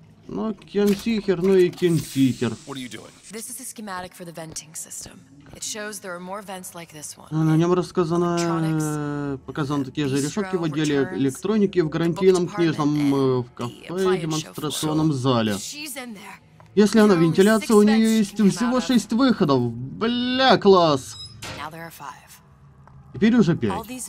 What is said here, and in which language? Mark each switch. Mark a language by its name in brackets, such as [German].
[Russian] Ну, Кенсихер, ну и Кенсихер. [English] This is a schematic for the venting system. It shows there are more vents like this one. [Russian] На нем рассказано, показаны такие же решетки в отделе электроники, в гарантийном книжном, в кафе и демонстрационном зале. Если она вентиляция, у нее есть всего 6 выходов. Бля, класс! Теперь уже 5.